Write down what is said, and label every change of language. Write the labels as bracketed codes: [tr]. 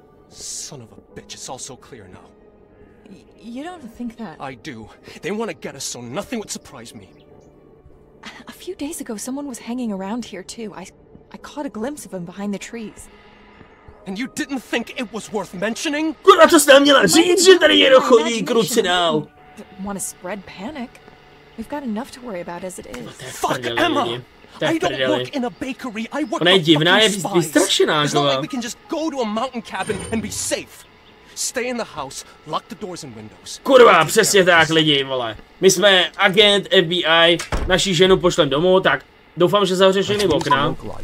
[en] Son of a bitch, it's all so clear now. You don't think that? I do. They want to get us, so nothing would surprise me. A few days ago, someone was hanging around here too. I caught a glimpse of him behind the trees. And you didn't think it was worth mentioning? [cs] Kurva, co jste měla říct, že tady někdo chodí, krucinál? [en] Wanna spread panic? We've got enough to worry about as it is. Fuck Emma! I don't work in a bakery, I work for fucking spies. It's not like we can just go to a mountain cabin and be safe. Stay in the house, lock the doors and windows. [cs] Kurva, přesně tak, lidi, vole. My jsme agent FBI, naši ženu pošlem domů, tak doufám, že zavřeš všechny okna.